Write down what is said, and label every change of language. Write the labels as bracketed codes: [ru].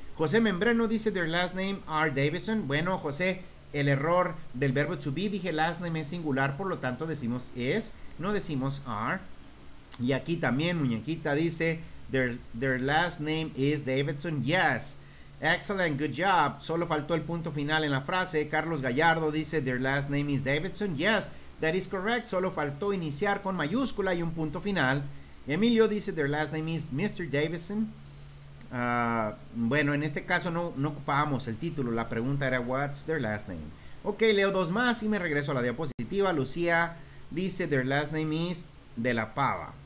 [es] José Membreno dice, [en] their last name are Davidson. [es] Bueno, José, el error del verbo to be. Dije last name es singular, por lo tanto decimos is, no decimos are. Y aquí también Muñequita dice, [en] their last name is Davidson. Yes, excellent, good job. [es] Solo faltó el punto final en la frase. [en] Carlos Gallardo dice, their last name is Davidson. Yes, that is correct. [es] Solo faltó iniciar con mayúscula y un punto final. Emilio dice, [en] their last name is Mr. Davidson. [es] Bueno, en este caso no ocupábamos el título. La pregunta era, [en] what's their last name? [es] Ok, leo dos más y me regreso a la diapositiva. Lucía dice, [en] their last name is De La Pava.